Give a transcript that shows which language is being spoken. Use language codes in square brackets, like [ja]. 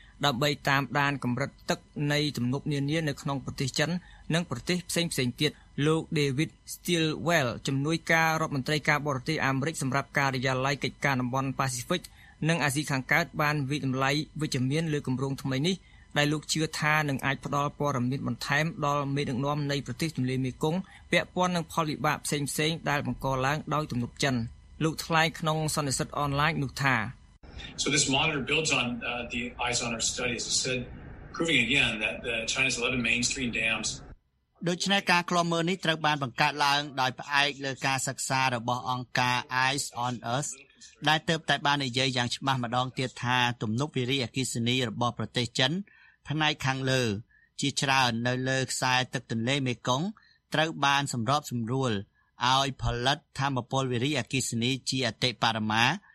[km] ដើម្បីតាមដានកម្រិតទឹកនៃទំនប់នានានៅក្នុងប្រទេសចិននិងប្រទេសផ្សេងៗទៀតលោក David Stilwell ជំនួយការរដ្ឋមន្ត្រីការបរទេសអាមេរិកសម្រាប់ការិយាល័យកិច្ចការតំបន់ Pacific និងអាស៊ីខាងកើតបានវិតម្លៃវិជ្ជមានលើគម្រោងថ្មីនេះដែលលោកជឿថានឹងអាចផ្ដល់ព័ត៌មានបន្ថែមដល់មេដឹកនាំនៃប្រទេសទន្លេមេគង្គពាក់ព័ន្ធនឹងផលវិបាកផ្សេងៗដែលបង្កឡើងដោយទំនប់ចិនលោកថ្លែងក្នុងសន្និសីទអនឡាញនោះថា [en] So this monitor builds on the Eisenhower study as it said proving again that the China's 11 mainstream dams [km] ដូច្នេះការឃ្លាំមើលនេះត្រូវបានបង្កើតឡើងដោយផ្អែកលើការសិក្សារបស់អង្គការ Eyes on Earth ដែលទើបតែបាននិយាយយ៉ាងច្បាស់ម្ដងទៀតថាទំនប់វារីអគ្គិសនីរបស់ប្រទេសចិនផ្នែកខាងលើជាច្រើននៅលើខ្សែទឹកទន្លេមេគង្គត្រូវបានសម្របសម្រួលឲ្យផលិតថាមពលវារីអគ្គិសនីជាអតិបរមា